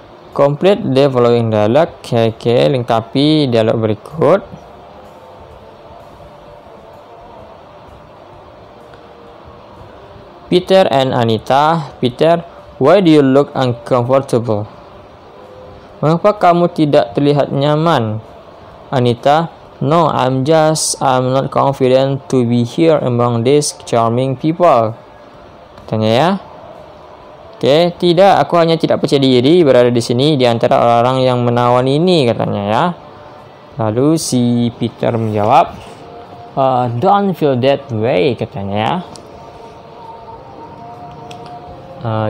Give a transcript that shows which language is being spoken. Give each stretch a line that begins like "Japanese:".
English: Complete the following dialogue. Okay.
Indonesian: Lengkapi dialog berikut.
English: Peter and Anita. Peter, why do you look uncomfortable?
Indonesian: Mengapa kamu tidak terlihat nyaman?
English: Anita, no, I'm not confident to be here among these charming people.
Indonesian: Tanya ya. Oke, okay. Tidak, aku hanya tidak percaya diri berada di sini di antara orang-orang yang menawan ini, katanya ya. Lalu si Peter menjawab,
English: don't feel that way,
Indonesian: katanya ya.